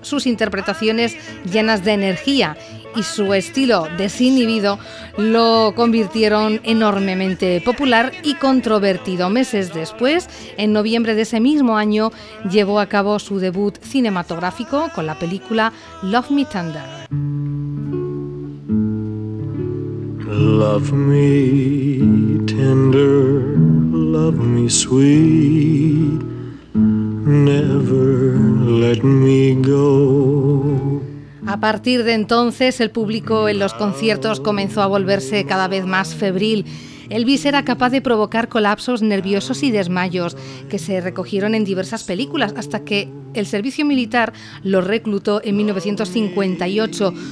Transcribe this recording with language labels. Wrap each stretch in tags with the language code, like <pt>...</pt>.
<es>Sus interpretaciones llenas de energía y su estilo desinhibido lo convirtieron enormemente popular y controvertido. Meses después, en noviembre de ese mismo año, llevó a cabo su debut cinematográfico con la película Love Me Tender.</es> <en>Love me tender, love me sweet, never let me go.</en> <es>A partir de entonces, el público en los conciertos comenzó a volverse cada vez más febril. Elvis era capaz de provocar colapsos nerviosos y desmayos que se recogieron en diversas películas hasta que el servicio militar lo reclutó en 1958.</es>